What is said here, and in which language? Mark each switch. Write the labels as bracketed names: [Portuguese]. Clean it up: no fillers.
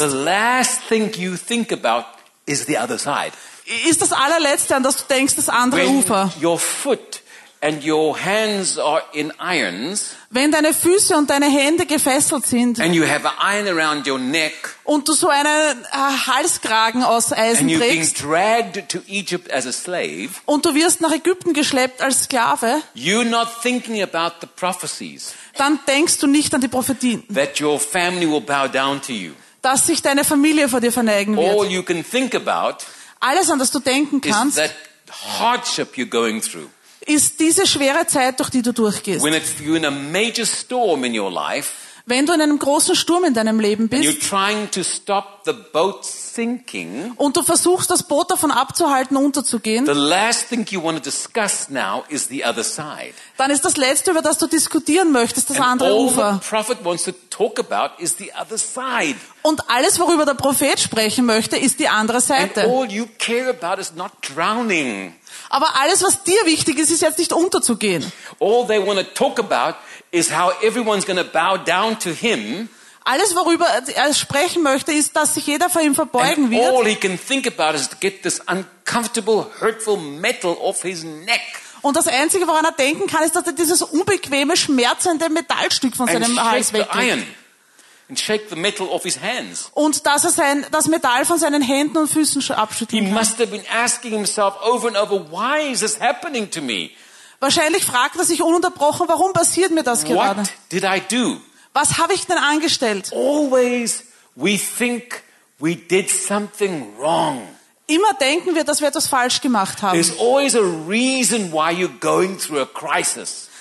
[English] the last thing you think about is the other side. [German] Ist das allerletzte, an das du denkst, das andere [English] when [German] Ufer. [English] Your foot and your hands are in irons, [German] wenn deine Füße und deine Hände gefesselt sind, [English] and you have an iron around your neck, [German] und du so einen Halskragen aus Eisen [English] and [German] trägst, [English] being dragged to Egypt as a slave, [German] und du wirst nach Ägypten geschleppt als Sklave, [English] you're not thinking about the prophecies, [German] dann denkst du nicht an die Prophetien, [English] that your family will bow down to you, [German] dass sich deine Familie vor dir verneigen wird. [English] All you can think about, [German] alles, an das du denken kannst, [English] is that hardship you're going through. [German] Ist diese schwere Zeit, durch die du durchgehst. [English] When it's, you're in a major storm in your life, [German] wenn du in einem großen Sturm in deinem Leben bist, [English] and you're trying to stop the boat sinking, [German] und du versuchst, das Boot davon abzuhalten, unterzugehen, [English] the last thing you want to discuss now is the other side. [German] Dann ist das Letzte, über das du diskutieren möchtest, das [English] and [German] andere [English] all [German] Ufer. [English] The prophet wants to talk about is the other side. [German] Und alles, worüber der Prophet sprechen möchte, ist die andere Seite. [English] And all you care about is not drowning. [German] Aber alles, was dir wichtig ist, ist jetzt nicht unterzugehen. [English] All they want to talk about is how everyone's going to bow down to him. [German] Alles, worüber er sprechen möchte, ist, dass sich jeder vor ihm verbeugen [English] and [German] wird. [English] All he can think about is to get this uncomfortable, hurtful metal off his neck. [German] Und das Einzige, woran er denken kann, ist, dass er dieses unbequeme, schmerzende Metallstück von [English] and [German] seinem Hals wegkriegt. [English] And shake the metal off his hands. [German] Und dass er sein, das Metall von seinen Händen und Füßen abschütteln [English] he [German] kann. [English] He must have been asking himself over and over, why is this happening to me? [German] Wahrscheinlich fragt er sich ununterbrochen, warum passiert mir das gerade? [English] What did I do? [German] Was habe ich denn angestellt? [English] Always we think we did something wrong. [German] Immer denken wir, dass wir etwas falsch gemacht haben. [English] There's always a reason why you're going through a crisis.